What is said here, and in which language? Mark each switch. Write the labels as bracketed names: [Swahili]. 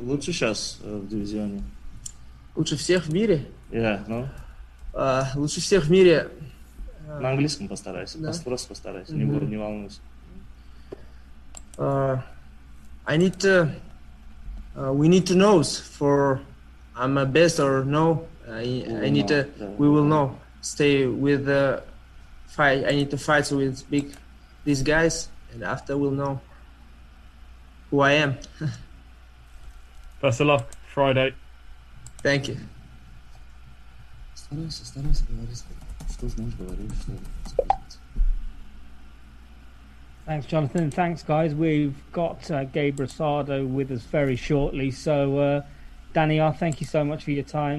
[Russian] Лучше сейчас в дивизионе. Лучше всех в мире? Yeah, ну. Лучше всех в мире. На английском постарайся, Да. просто постарайся, не буду, не волнуйся. [English] I need to we need to know for I'm a best or no. I need to we will [Russian] Да. [English] know stay with the fight. I need to fight with big these guys, and after we'll know who I am. Best of luck Friday. Thank you. [Russian] Стараюсь, стараюсь говорить, что знаешь, говоришь, что используется. [English] Thanks, Jonathan. Thanks, guys. We've got Gabe Rosado with us very shortly. So, Daniel, thank you so much for your time.